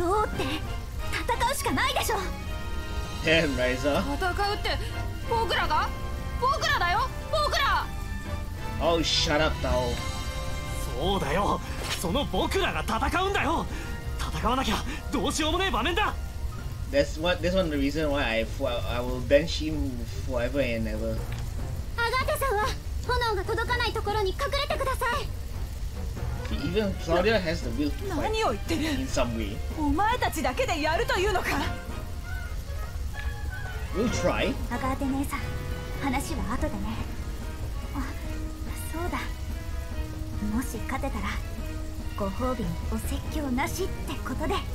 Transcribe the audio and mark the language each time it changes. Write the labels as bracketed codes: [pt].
[ja] ローって戦うしかないでしょ。 [en] Damn, Raisa。 [ja] 戦うって僕らが？僕らだよ、僕ら。 [en] Oh shut up, Tao。 [ja] そうだよ。その僕らが戦うんだよ。戦わなきゃどうしようもねえ場面だ。 [en] That's one of the reason why I will bench him forever and ever. [ja] アガテさんは炎が届かないところに隠れてください。 [en] Even Claudia has the will to fight. [ja] 何を言ってる。 [en] In some way. [ja] お前たちだけでやるというのか。 [en] We'll try. [ja] アガテ姉さん、話は後でね。あ、そうだ、もし勝てたらご褒美にお説教なしってことで。